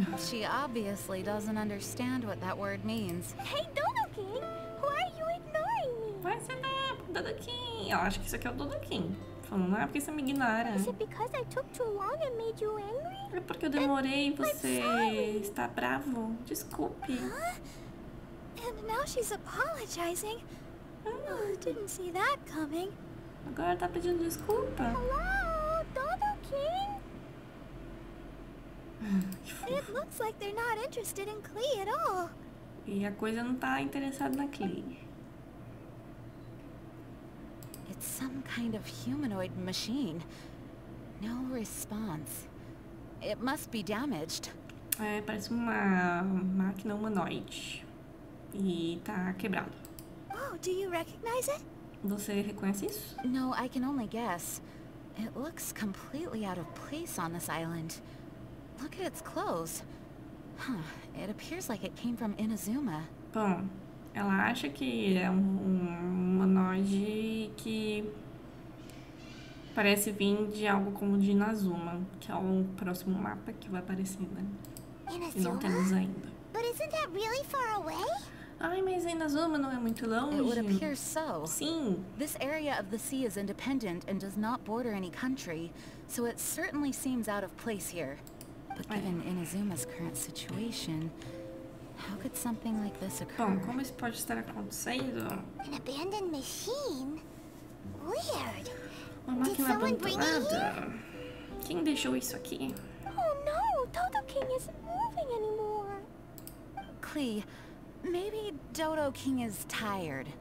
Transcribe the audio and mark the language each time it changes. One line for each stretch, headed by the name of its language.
English: She obviously doesn't understand what that word means. Hey, Dr. King, why are you ignoring me?
Portuguese: Vai ser da Dr. King. Eu acho que isso aqui é o Dr. King. Falando, não é porque você me ignora.
English: Is it because I took too long and made you angry?
Portuguese: É porque eu demorei e você está bravo. Desculpe.
English: And now she's apologizing. Oh, didn't see that coming.
Portuguese: Agora ela tá pedindo desculpa.
English: Hello, Dodo King. It looks like they're not interested in Klee at all.
Portuguese: E a coisa não tá interessada na Klee.
English: It's some kind of humanoid machine. No response. It must be damaged.
Portuguese: É, parece uma máquina humanoide. E tá quebrado.
English: Oh, do you recognize it?
Portuguese: Você reconhece isso?
English: No, I can only guess. It looks completely out of place on this island. Look at its clothes. Huh, it appears like it came from Inazuma.
Portuguese: Bom. Ela acha que é um humanoide que parece vir de algo como de Inazuma, que é o próximo mapa que vai aparecer, né? Inazuma? E não temos ainda.
English: But isn't that really far away?
Portuguese: Ai, mas Inazuma não é muito longe?
English: It would appear so.
Portuguese: Sim.
English: This area of the sea is independent and does not border any country, so it certainly seems out of place here. But given Inazuma's current situation, How could something like this occur?
Portuguese: Bom, como isso pode estar acontecendo?
English: An abandoned machine? Weird.
Portuguese: Uma máquina abandonada? Quem deixou isso aqui?
English: Oh no, Dodo King isn't moving anymore. Clee, maybe Dodo King is tired.